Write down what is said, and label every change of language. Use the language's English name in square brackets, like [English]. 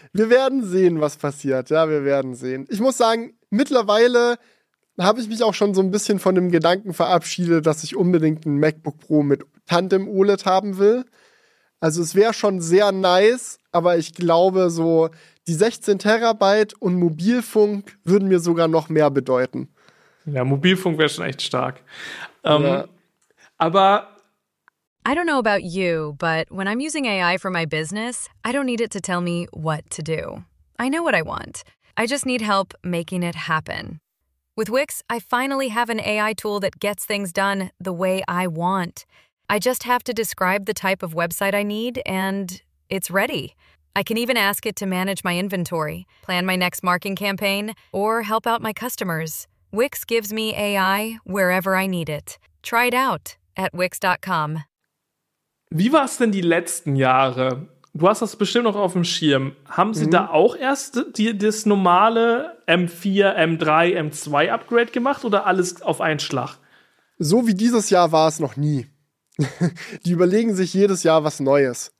[German] Wir werden sehen, was passiert. Ja, wir werden sehen. Ich muss sagen, mittlerweile habe ich mich auch schon so ein bisschen von dem Gedanken verabschiedet, dass ich unbedingt ein MacBook Pro mit Tandem OLED haben will. Also es wäre schon sehr nice, aber ich glaube so, die 16 Terabyte und Mobilfunk würden mir sogar noch mehr bedeuten. Ja, Mobilfunk wäre schon echt stark. Aber [English] I don't know about you, but when I'm using AI for my business, I don't need it to tell me what to do. I know what I want. I just need help making it happen. With Wix, I finally have an AI tool that gets things done the way I want. I just have to describe the type of website I need, and it's ready. I can even ask it to manage my inventory, plan my next marketing campaign, or help out my customers. Wix gives me AI wherever I need it. Try it out at wix.com. [German] Wie war es denn die letzten Jahre? Du hast das bestimmt noch auf dem Schirm. Haben sie da auch erst das normale M4, M3, M2 Upgrade gemacht oder alles auf einen Schlag? So wie dieses Jahr war es noch nie. Die überlegen sich jedes Jahr was Neues.